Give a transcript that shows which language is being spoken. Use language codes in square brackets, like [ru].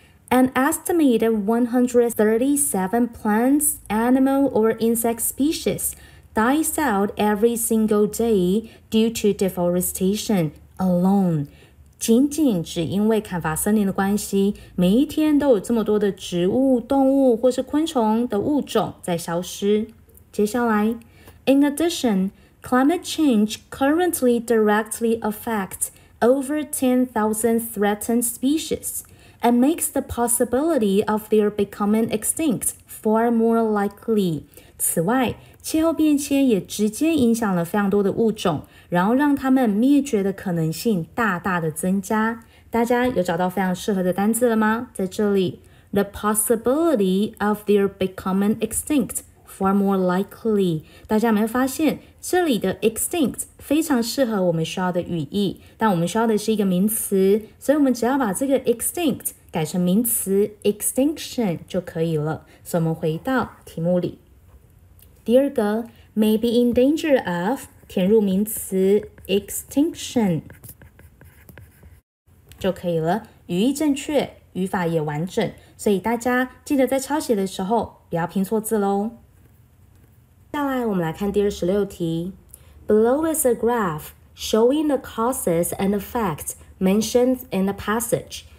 [en] An estimated 137 plants, animal or insect speciesDies out every single day due to deforestation alone. [zh] 仅仅只因为砍伐森林的关系，每一天都有这么多的植物、动物或是昆虫的物种在消失。接下来 [en] ，In addition, climate change currently directly affects over 10,000 threatened species and makes the possibility of their becoming extinct far more likely. [zh] 此外，气候变迁也直接影响了非常多的物种，然后让它们灭绝的可能性大大的增加。大家有找到非常适合的单字了吗？在这里 [en] ，the possibility of their becoming extinct far more likely。 [zh] 大家有没有发现，这里的 extinct 非常适合我们需要的语义，但我们需要的是一个名词，所以我们只要把这个 extinct 改成名词 extinction 就可以了。所以我们回到题目里。第二个 ， [en] may be in danger of [zh] 填入名词 extinction 就可以了。语义正确，语法也完整，所以大家记得在抄写的时候不要拼错字喽。接下来我们来看第26题。 [en] Below is a graph showing the causes and effects mentioned in the passage。